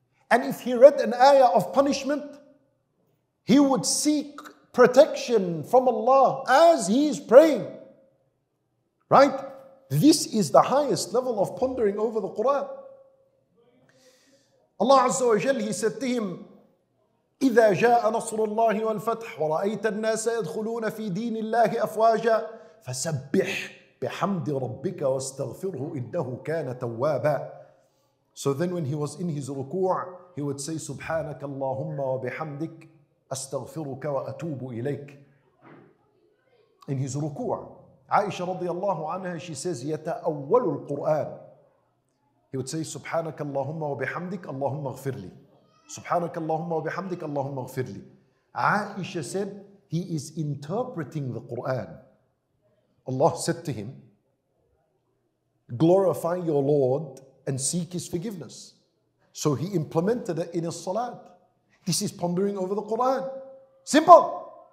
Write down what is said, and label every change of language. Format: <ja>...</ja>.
<en>And if he read an ayah of punishment, he would seek protection from Allah as he is praying. Right? This is the highest level of pondering over the Qur'an. Allah Azza wa Jal, He said to him,</en> <ar>إِذَا جَاءَ نَصْرُ اللَّهِ وَالْفَتْحِ وَرَأَيْتَ النَّاسَ يَدْخُلُونَ فِي دِينِ اللَّهِ أَفْوَاجًا فَسَبِّحْ بِحَمْدِ رَبِّكَ وَاسْتَغْفِرْهُ إِنَّهُ كَانَ تَوَّابًا.</ar> <en>So then when he was in his ruku', he would say,</en> <ar>سُبْحَانَكَ اللَّهُمَّ وَبِحَمْدِكَ أَسْتَغْفِرُكَ وَأَتُوبُ إِلَيْكَ.</ar> <en>In his ruku', Aisha radiallahu anha, she says,</en> <ar>يتأول القرآن. He would say, سبحانك اللهم وبحمدك اللهم اغفر لي. سبحانك اللهم وبحمدك اللهم اغفر لي.</ar> <en>Aisha said, he is interpreting the Quran. Allah said to him, glorify your Lord and seek his forgiveness. So he implemented it in his salat. This is pondering over the Quran. Simple.</en>